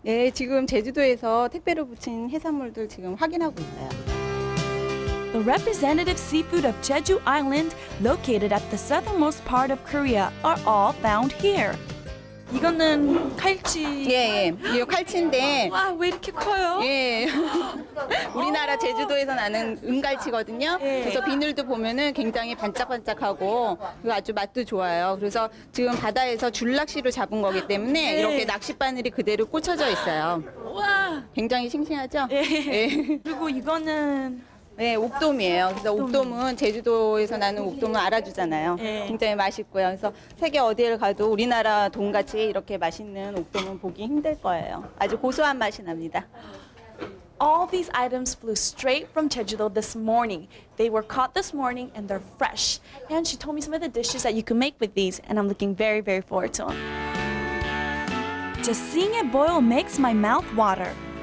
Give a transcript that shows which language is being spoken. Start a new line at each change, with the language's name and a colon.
Korean: 예, 지금 제주도에서 택배로 붙인 해산물들 지금 확인하고 있어요.
English: The representative seafood of Jeju Island, located at the southernmost part of Korea, are all found here.
Korean: 이거는 칼치. 예, 예. 이거 칼치인데. 와, 왜 이렇게 커요? 예. 우리나라 제주도에서 나는 은갈치거든요. 예. 그래서 비늘도 보면은 굉장히 반짝반짝하고 그리고 아주 맛도 좋아요. 그래서 지금 바다에서 줄낚시로 잡은 거기 때문에 예. 이렇게 낚싯바늘이 그대로 꽂혀져 있어요. 와. 굉장히 싱싱하죠? 예. 예. 그리고 이거는 네, 옥돔이에요. 그래서 옥돔은 제주도에서 나는 옥돔을 알아주잖아요. 네. 굉장히 맛있고요. 그래서 세계 어디를 가도 우리나라 돔같이 이렇게 맛있는 옥돔은 보기 힘들 거예요. 아주 고소한 맛이 납니다.
English: All these items flew straight from Jeju-do this morning. They were caught this morning and they're fresh. And she told me some of the dishes that you can make with these and I'm looking very, very forward to them. Just seeing it boil makes my mouth water.